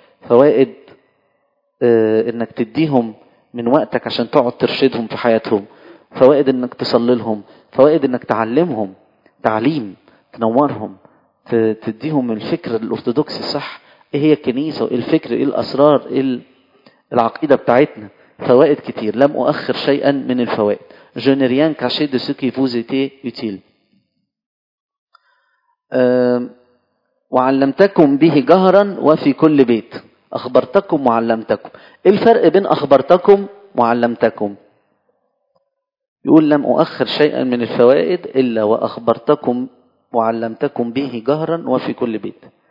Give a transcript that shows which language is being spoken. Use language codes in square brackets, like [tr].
[ar] فوائد انك تديهم من وقتك عشان تقعد ترشدهم في حياتهم. فوائد انك تصلي لهم. فوائد انك تعلمهم تعليم، تنورهم، تديهم الفكر الأرثوذكسي الصح، ايه هي الكنيسة وايه الفكر، ايه الأسرار، ايه العقيدة بتاعتنا. فوائد كتير. لم أؤخر شيئا من الفوائد. [fr] Je n'ai rien caché de ce qui vous était utile. [ar] وعلمتكم به جهرا وفي كل بيت. أخبرتكم وعلمتكم. ايه الفرق بين أخبرتكم وعلمتكم؟ يقول لم أؤخر شيئا من الفوائد إلا وأخبرتكم وعلمتكم به جهرا وفي كل بيت.